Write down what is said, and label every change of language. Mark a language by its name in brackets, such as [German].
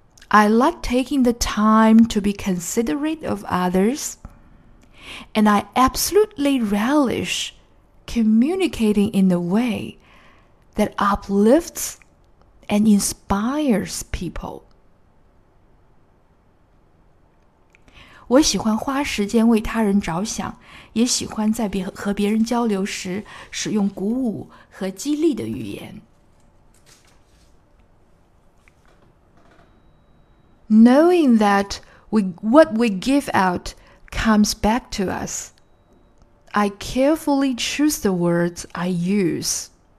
[English] I like taking the time to be considerate of others, and I absolutely relish communicating in a way that uplifts and inspires people. [Chinese] 我喜欢花时间为他人着想，也喜欢在和别人交流时使用鼓舞和激励的语言。 [English] Knowing that what we give out comes back to us, I carefully choose the words I use.